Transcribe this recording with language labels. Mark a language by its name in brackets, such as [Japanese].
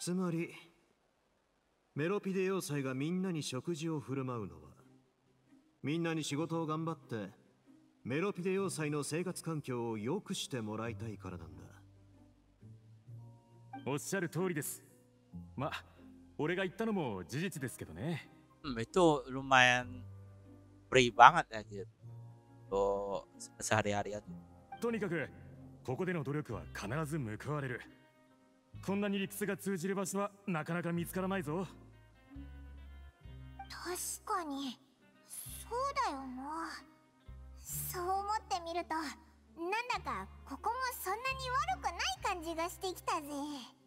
[Japanese] つまりメロピデ要塞がみんなに食事を振る舞うのはみんなに仕事を頑張ってメロピデ要塞の生活環境を良くしてもらいたいからなんだ。おっしゃる通りです。ま、俺が言ったのも事実ですけどね。 [Indonesian] itu lumayan free banget ya gitu sehari-hari itu. [Japanese] とにかくここでの努力は必ず報われる。こんなにリプスが通じる場所はなかなか見つからないぞ。確かにそうだよな。そう思ってみるとなんだかここもそんなに悪くない感じがしてきたぜ。